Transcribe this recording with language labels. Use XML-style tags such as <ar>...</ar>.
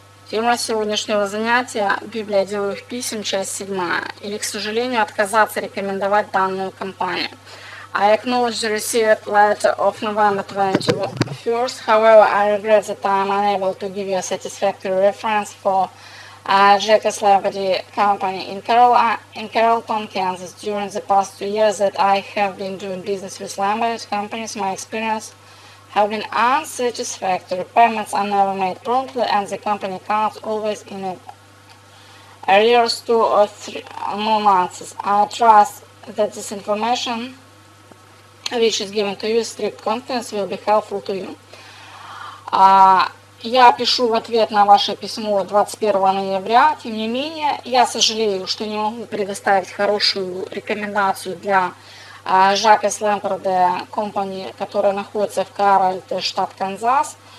<ru>Тема сегодняшнего занятия – Библия деловых писем, часть 7. Или, к сожалению, отказаться рекомендовать данную компанию.</ru> <en>I acknowledge the received letter of November 21st. However, I regret that I am unable to give you a satisfactory reference for Jacob's Liberty Company in Carrollton, Kansas. During the past 2 years that I have been doing business with Lambert companies, my experience have been unsatisfactory. Payments are never made promptly, and the company accounts always in arrears 2 or 3 more months. I trust that this information, which is given to you, strict confidence, will be helpful to you.</en> <ru>Я пишу в ответ на ваше письмо 21 ноября. Тем не менее, я сожалею, что не могу предоставить хорошую рекомендацию для Jacques Lampard Company, которая находится в Карольте, штат Канзас.</ru>